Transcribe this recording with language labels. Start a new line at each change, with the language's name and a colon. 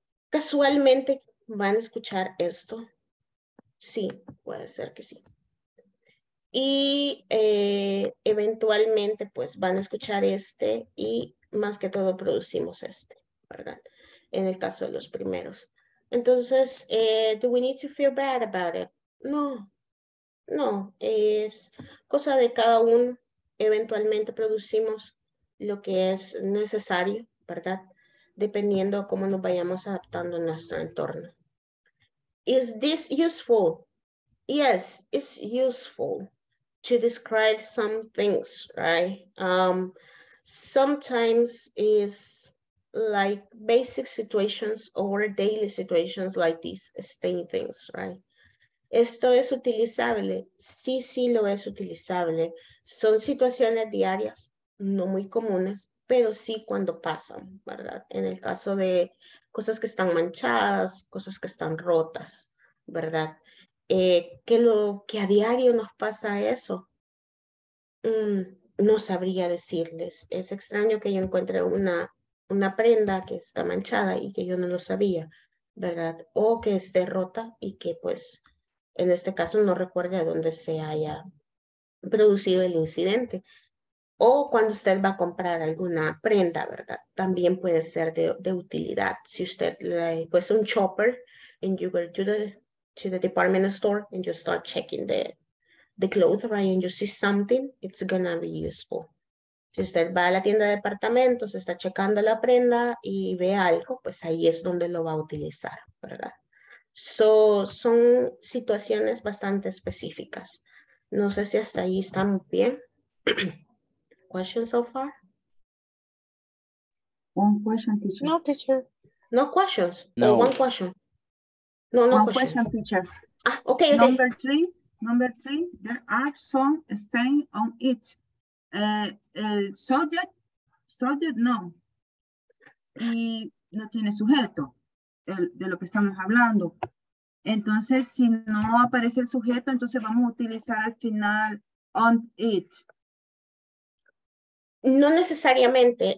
Spanish: Casualmente van a escuchar esto. Sí, puede ser que sí. Y eventualmente, pues, van a escuchar este y más que todo producimos este, ¿verdad? En el caso de los primeros.
English: Entonces, do we need to feel bad about it?
Spanish: No. No, es cosa de cada uno. Eventualmente producimos lo que es necesario, ¿verdad? Dependiendo de cómo nos vayamos adaptando a nuestro entorno.
English: Is this useful? Yes, it's useful to describe some things, right? Sometimes it's like basic situations or daily situations like these same things, right?
Spanish: ¿Esto es utilizable? Sí, sí lo es utilizable. Son situaciones diarias, no muy comunes, pero sí cuando pasan, ¿verdad? En el caso de cosas que están manchadas, cosas que están rotas, ¿verdad? ¿Qué a diario nos pasa eso? No sabría decirles. Es extraño que yo encuentre una prenda que está manchada y que yo no lo sabía, ¿verdad? O que esté rota y que pues... En este caso, no recuerde a dónde se haya producido el incidente. O cuando usted va a comprar alguna prenda, ¿verdad? También puede ser de utilidad. Si usted le puso un chopper
English: and you go to the to the department store and you start checking the clothes, right? And you see something, it's gonna be useful.
Spanish: Si usted va a la tienda de departamentos, está checando la prenda y ve algo, pues ahí es donde lo va a utilizar, ¿verdad? So, son situaciones bastante específicas. No sé si hasta ahí están bien.
English: Questions so far? One question, teacher. No, teacher. No questions? No. Or one question? No, no one question. One question, teacher. Ah, okay, okay. Number three, there are some stain on it. Subject, no.
Spanish: Y no tiene sujeto, de lo que estamos hablando. Entonces, si no aparece el sujeto, entonces vamos a utilizar al final on it. No necesariamente.